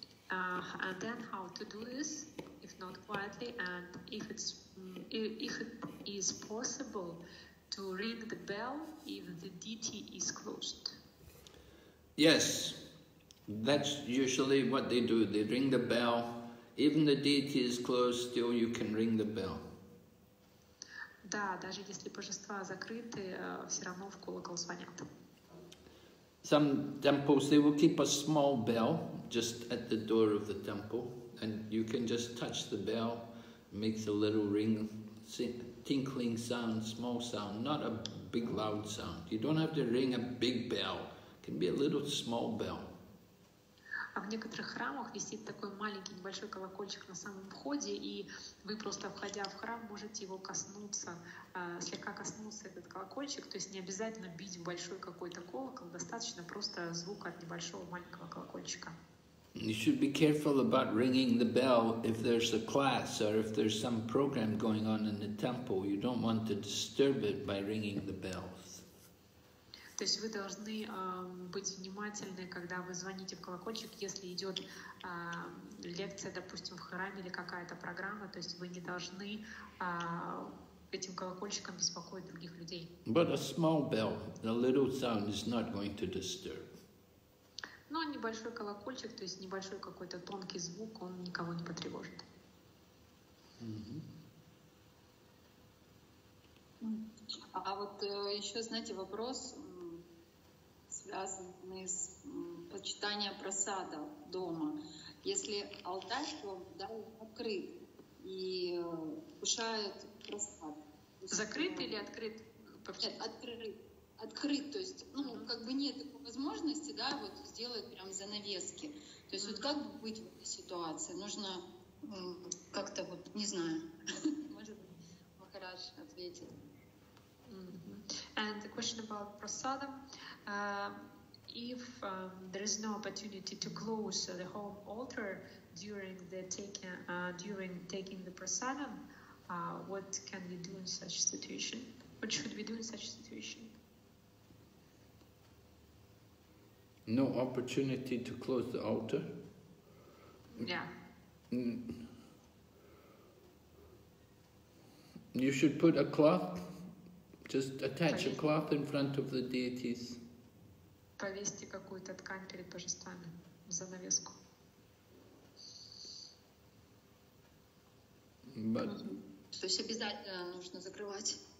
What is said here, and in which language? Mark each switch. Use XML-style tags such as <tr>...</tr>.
<en>And then how to do this, if not quietly, and if it is possible to ring the bell if the deity is closed. Yes. That's usually what they do. They ring the bell. Even the deity is closed, still you can ring the bell.</en> <ru>Да, даже если божества закрыты, все равно в колокол звонят.</ru> <en>Some temples, they will keep a small bell just at the door of the temple, and you can just touch the bell, makes a little ring, tinkling sound, small sound, not a big loud sound. You don't have to ring a big bell. It can be a little small bell.</en> <ru>А в некоторых храмах висит такой маленький небольшой колокольчик на самом входе, и вы просто входя в храм можете его коснуться, слегка коснуться этот колокольчик, то есть не обязательно бить большой какой-то колокол, достаточно просто звука от небольшого маленького колокольчика.</ru> <en>You should be careful about ringing the bell if there's a class or if there's some program going on in the temple. You don't want to disturb it by ringing the bell.</en> <ru>То есть вы должны быть внимательны, когда вы звоните в колокольчик, если идет лекция, допустим, в храме или какая-то программа, то есть вы не должны этим колокольчиком беспокоить других людей.</ru> <en>But a small bell, a little sound is not going to disturb.</en> <ru>Но небольшой колокольчик, то есть небольшой какой-то тонкий звук, он никого не потревожит. Mm-hmm. А вот еще, знаете, вопрос, связанные с почитанием просада дома. Если алтарь, то да, открыт и кушает просад. Закрыт или открыт? Нет, открыт. То есть, ну, как бы нет такой возможности, да, вот сделать прям занавески. То есть, вот как бы быть в этой ситуации? Нужно как-то вот, не знаю, может быть, Махарадж ответит.</ru> <en>And the question about prasadam, if there is no opportunity to close the home altar during taking the prasadam, what can we do in such situation? What should we do in such situation? No opportunity to close the altar? Yeah. You should put a cloth. Just attach a cloth in front of the deities.</en> <ru>Повесьте какую-то ткань перед божествами, занавеску.</ru> <en>But.</en> <ru>То есть обязательно нужно закрывать.</ru>